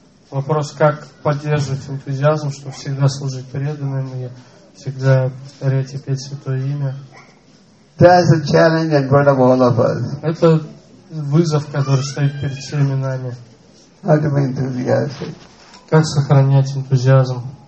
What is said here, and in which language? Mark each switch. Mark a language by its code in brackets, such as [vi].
[ru] Вопрос, как поддерживать энтузиазм, чтобы всегда служить преданным и всегда повторять и петь святое имя. [en] That's a challenge in front of all of us. [ru] Это вызов, который стоит перед всеми нами. [en] How to be enthusiastic? [ru] Как сохранять энтузиазм?